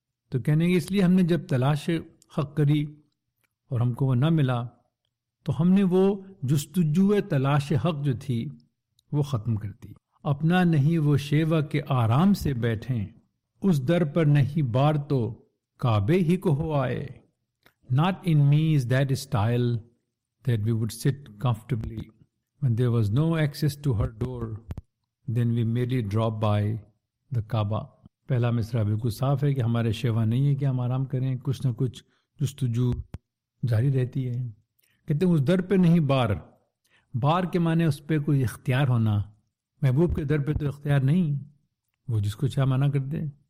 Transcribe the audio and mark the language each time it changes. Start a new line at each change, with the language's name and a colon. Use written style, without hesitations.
Urdu: تو کہنے کے اس لیے ہم نے جب تلاش حق کری اور ہم کو وہ نہ ملا تو ہم نے وہ جستجو تلاش حق جو تھی وہ ختم کر دی. اپنا نہیں وہ شیوا کے آرام سے بیٹھیں، اس در پر نہیں بار تو کعبے ہی کو ہو آئے.
English: Not in me is that style that we would sit comfortably. When there was no access to her door, then we merely drop by the Kaaba.
Urdu: پہلا مصرع بالکل صاف ہے کہ ہمارے شیوا نہیں ہے کہ ہم آرام کریں، کچھ نہ کچھ جستجو جاری رہتی ہے. کہتے ہیں اس در پہ نہیں بار، بار کے معنی اس پہ کوئی اختیار ہونا، محبوب کے در پہ تو اختیار نہیں، وہ جس کو چاہ منع کر دے.